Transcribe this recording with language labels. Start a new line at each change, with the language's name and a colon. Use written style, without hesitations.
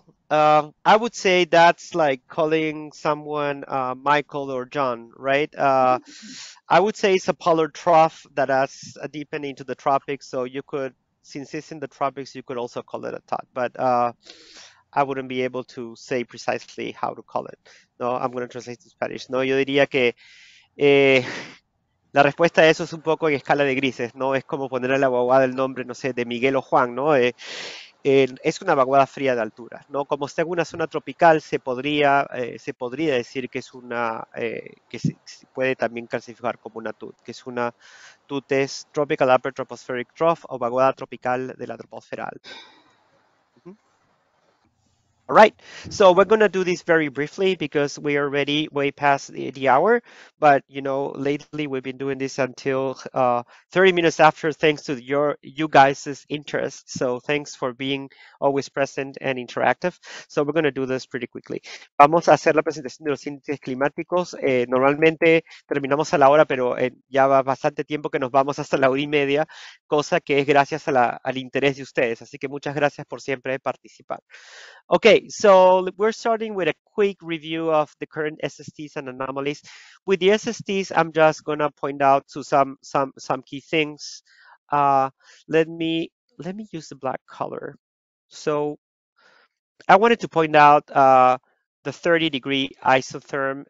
English: I would say that's like calling someone Michael or John, right? I would say it's a polar trough that has deepened into the tropics. So you could, since it's in the tropics, you could also call it a TUT. But I wouldn't be able to say precisely how to call it. No, I'm going to translate to Spanish.
Spanish: No, yo diría que la respuesta a eso es un poco en escala de grises, ¿no? Es como poner a la vaguada el nombre, no sé, de Miguel o Juan, ¿no? Es una vaguada fría de altura, ¿no? Como está en una zona tropical, se podría decir que es una, que se puede también clasificar como una TUT, que es una TUT, es
English: Tropical Upper Tropospheric Trough
Spanish: o vaguada tropical de la troposfera alta.
English: All right, so we're going to do this very briefly because we are already way past the hour. But, you know, lately we've been doing this until 30 minutes after, thanks to you guys' interest. So thanks for being always present and interactive. So we're going to do this pretty quickly.
Spanish: Vamos a hacer la presentación de los índices climáticos. Normalmente terminamos a la hora, pero ya va bastante tiempo que nos vamos hasta la hora y media, cosa que es gracias al interés de ustedes. Así que muchas gracias por siempre participar.
English: Okay, so we're starting with a quick review of the current SSTs and anomalies. With the SSTs, I'm just gonna point out to some key things. Let me use the black color. So I wanted to point out the 30 degree isotherm.